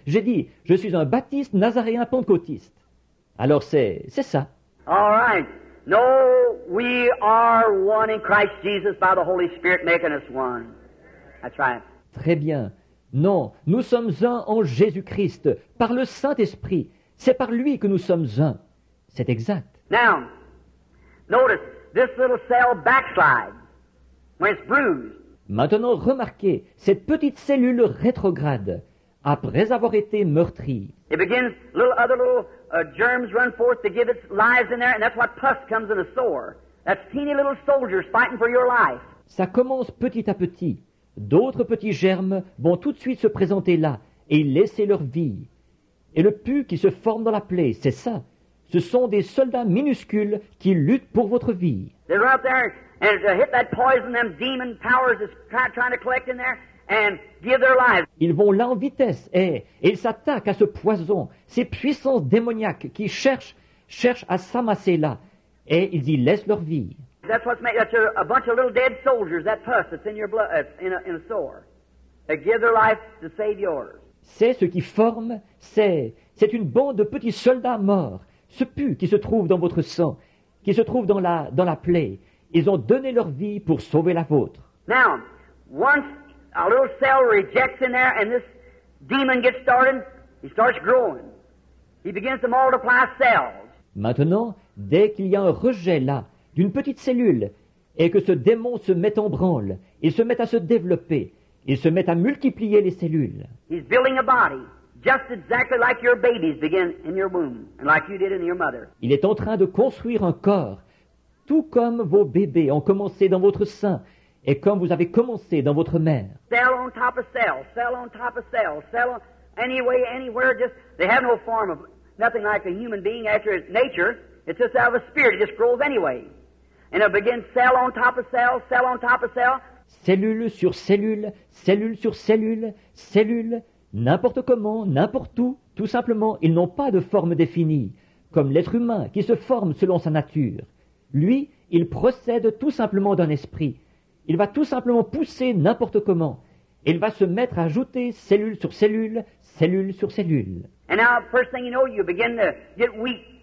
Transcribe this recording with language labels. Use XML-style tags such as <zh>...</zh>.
<fr>J'ai dit, je suis un baptiste nazaréen pentecôtiste. Alors c'est ça.</fr> <en>All right. No, we are one in Christ Jesus by the Holy Spirit making us one. That's right.</en> <fr>Très bien. Non, nous sommes un en Jésus-Christ, par le Saint-Esprit. C'est par lui que nous sommes un. C'est exact.</fr> <en>Now, notice, this little cell backslides when it's bruised.</en> <fr>Maintenant, remarquez, cette petite cellule rétrograde, après avoir été meurtrie.</fr> <en>It begins, germs run forth to give its lives in there, and that's what pus comes in a sore. That's teeny little soldiers fighting for your life.</en> <fr>Ça commence petit à petit. D'autres petits germes vont tout de suite se présenter là et laisser leur vie. Et le pus qui se forme dans la plaie, c'est ça. Ce sont des soldats minuscules qui luttent pour votre vie.</fr> <en>They're out there and they hit that poison, them demon powers is trying to collect in there and give their lives.</en> <fr>Ils vont là en vitesse et ils s'attaquent à ce poison, ces puissances démoniaques qui cherchent à s'amasser là et ils y laissent leur vie.</fr> <en>That's what's made. That's a bunch of little dead soldiers. That pus that's in your blood, in a sore. They give their life to save yours.</en> <fr>C'est ce qui forme. C'est une bande de petits soldats morts. Ce pus qui se trouve dans votre sang, qui se trouve dans la plaie. Ils ont donné leur vie pour sauver la vôtre.</fr> <en>Now, once a little cell rejects in there, and this demon gets started, he starts growing. He begins to multiply cells.</en> <fr>Maintenant, dès qu'il y a un rejet là. D'une petite cellule, et que ce démon se met en branle, il se met à se développer, il se met à multiplier les cellules.</fr> <en>He's building a body, just exactly like your babies begin in your womb, and like you did in your mother.</en> <fr>Il est en train de construire un corps, tout comme vos bébés ont commencé dans votre sein, et comme vous avez commencé dans votre mère.</fr> <en>Cell on top of cell, cell on top of cell, cell on, any way, anywhere, just, they have no form of, nothing like a human being after its nature. It's just out of a spirit. It just grows anyway. And it begins cell on top of cell, cell on top of cell.</en> <fr>Cellule sur cellule, cellule sur cellule, cellule, n'importe comment, n'importe où. Tout simplement, ils n'ont pas de forme définie, comme l'être humain qui se forme selon sa nature. Lui, il procède tout simplement d'un esprit. Il va tout simplement pousser n'importe comment. Il va se mettre à ajouter cellule sur cellule, cellule sur cellule.</fr> <en>And now, first thing you know, you begin to get weak.</en>